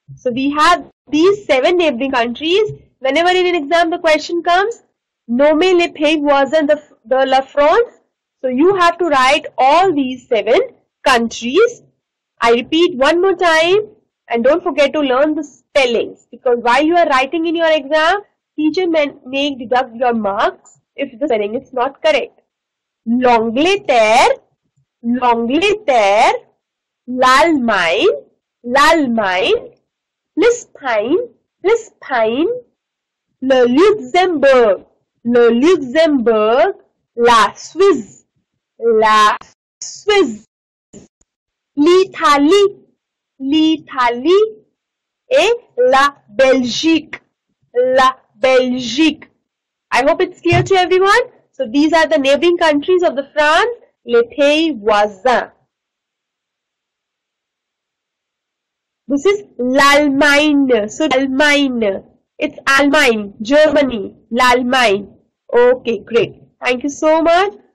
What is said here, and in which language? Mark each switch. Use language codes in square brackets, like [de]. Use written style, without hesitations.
[en] So we have these seven neighboring countries. Whenever in an exam the question comes, [fr] nommez les pays voisins de la France. [en] So you have to write all these seven countries. I repeat one more time and don't forget to learn the spellings, because while you are writing in your exam, teacher may deduct your marks if the spelling is not correct. [fr] L'Angleterre, L'Angleterre, L'Allemagne, L'Allemagne, L'Espagne, L'Espagne, Le Luxembourg, Le Luxembourg, La Suisse, La Suisse, L'Italie, L'Italie, et La Belgique, La Belgique. [en] I hope it's clear to everyone. So these are the neighboring countries of the France, [fr] les pays voisins. [en] This is L'Allemagne. So L'Allemagne. It's Allemagne, Germany, L'Allemagne. Okay, great. Thank you so much.